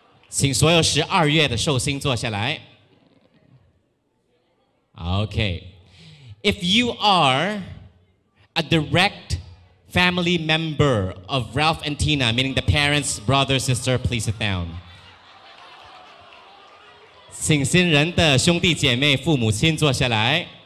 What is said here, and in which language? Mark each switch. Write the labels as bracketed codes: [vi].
[zh] 请所有12月的寿星坐下来. [en] Okay. If you are a direct family member of Ralph and Tina, meaning the parents, brother, sister, please sit down. [zh] 请新人的兄弟姐妹父母亲坐下来.